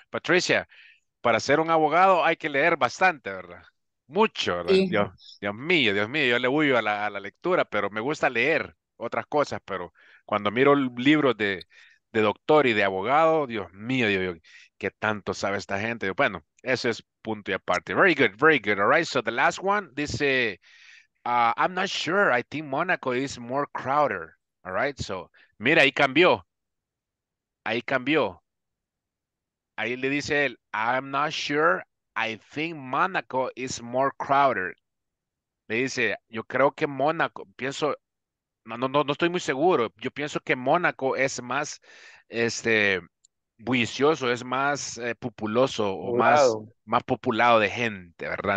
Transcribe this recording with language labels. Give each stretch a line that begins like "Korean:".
Spanish: Patricia, para ser un abogado hay que leer bastante, ¿verdad? Mucho, ¿verdad? Sí. Dios mío, yo le huyo a la lectura, pero me gusta leer otras cosas, pero cuando miro libros de doctor y de abogado, Dios mío, qué tanto sabe esta gente. Bueno, eso es punto y aparte.
English: Very good. All right, so the last one
Spanish: dice,
English: I'm not sure, I think Monaco is more crowded. All right, so,
Spanish: mira, ahí cambió. Ahí le dice él,
English: I'm not sure, I think Monaco is more crowded.
Spanish: Le dice, yo creo que Monaco, no estoy muy seguro, yo pienso que Monaco es más, bullicioso, es más populoso o más populado de gente, ¿verdad?